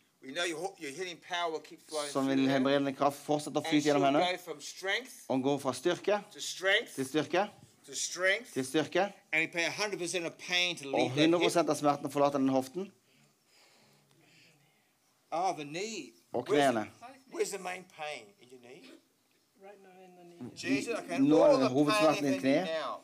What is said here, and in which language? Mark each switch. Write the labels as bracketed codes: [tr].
[en] we know your healing power will keep flowing. [no] Som vil helbredende kraft fortsette å flyte gjennom henne. Hun går fra styrke til styrke til styrke. [en] And you pay 100% of pain to leave. [no] Og 100% av smerten forlater den hoften. [en] Ah, the knee. [no] Og knærne. [en] Where's the main pain in your knee? Right now in the knee. Jesus, okay. All the pain in the knee.